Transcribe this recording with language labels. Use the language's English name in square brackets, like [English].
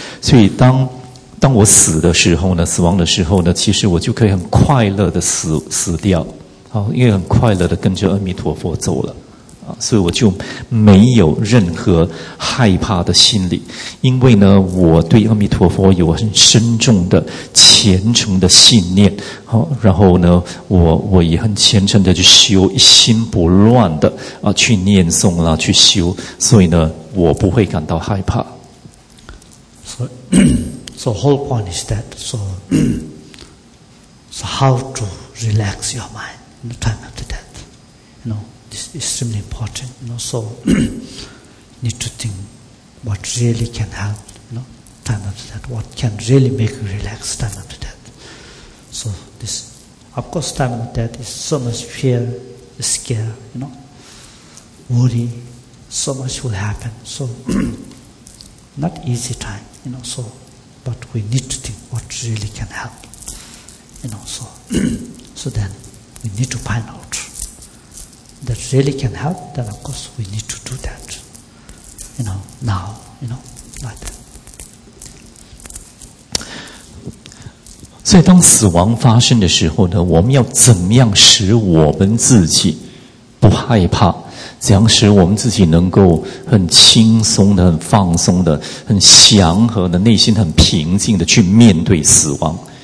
[Chinese] 所以当我死的时候呢，死亡的时候呢，其实我就可以很快乐的死掉因为很快乐的跟着阿弥陀佛走了，所以我就没有任何害怕的心理，因为呢我对阿弥陀佛有很深重的虔诚的信念，然后呢我也很虔诚的去修，一心不乱的去念诵啦，去修，所以呢我不会感到害怕。 [English] So whole point is that so how to relax your mind in the time of the death, you know, this is extremely important, you know, so need to think what really can help, you know, time after that, what can really make you relax time after that. So this, of course, time after that is so much fear, scare, you know, worry, so much will happen, so not easy time, you know, so, but we need to think what really can help, you know, so, so then we need to find out that really can help, then of course we need to do that, you know, now, you know, like that. [Chinese] 所以当死亡发生的时候呢，我们要怎么样使我们自己不害怕，怎样使我们自己能够很轻松的、很放松的、很祥和的内心、很平静的去面对死亡。